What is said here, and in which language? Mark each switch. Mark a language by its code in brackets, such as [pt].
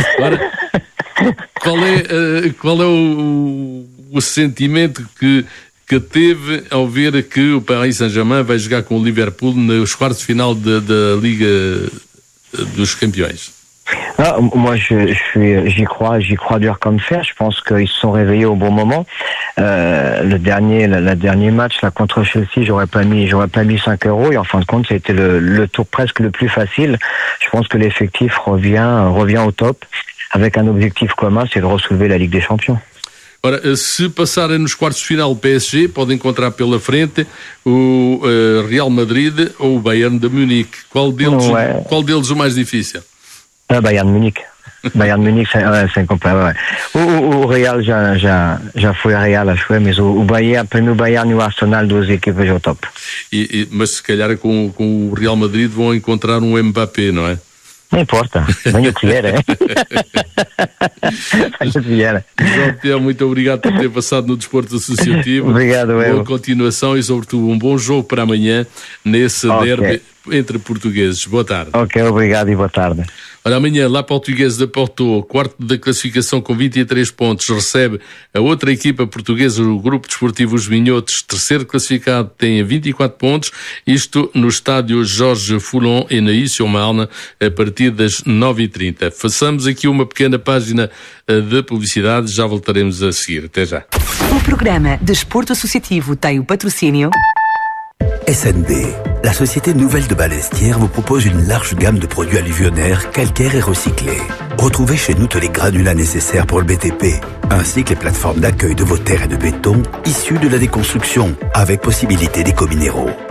[pt] Ora, qual é o sentimento que teve ao ver que o Paris Saint-Germain vai jogar com o Liverpool nos quartos de final da Liga dos Campeões? [fr] Ah, moi, j'y crois dur comme fer. Je pense qu'ils se sont réveillés au bon moment. Le dernier match, là, contre Chelsea, j'aurais pas mis 5 euros. Et en fin de compte, c'était le tour presque le plus facile. Je pense que l'effectif revient au top avec un objectif commun, c'est de ressoulever la Ligue des Champions. [pt] Ora, se passarem nos quartos de final, o PSG pode encontrar pela frente o Real Madrid ou o Bayern de Munique. Qual deles o mais difícil? O Bayern de Munique. [fr] Bayern de Munique, c'est incomparable. Ouais. [pt] O Real, já fui a Real, acho que, mas o Bayern, primeiro Bayern e o Arsenal, duas equipas ao top. Mas se calhar com o Real Madrid vão encontrar um Mbappé, não é? Não importa, venha o que vier, João Piotr, muito obrigado por ter passado no Desporto Associativo. Obrigado, eu. Boa continuação e, sobretudo, um bom jogo para amanhã nesse derby entre portugueses. Boa tarde. Ok, obrigado e boa tarde. Ora, amanhã, lá para o Portuguesa da Porto, quarto da classificação com 23 pontos, recebe a outra equipa portuguesa, o Grupo Desportivo Os Minhotos, terceiro classificado, tem 24 pontos, isto no estádio Jorge Foulon e na Issio Malna, a partir das 9h30. Façamos aqui uma pequena página de publicidade, já voltaremos a seguir. Até já. O programa Desporto Associativo tem o patrocínio... [fr] SND, la société nouvelle de Balestière vous propose une large gamme de produits alluvionnaires, calcaires et recyclés. Retrouvez chez nous tous les granulats nécessaires pour le BTP, ainsi que les plateformes d'accueil de vos terres et de béton issues de la déconstruction, avec possibilité d'éco minéraux.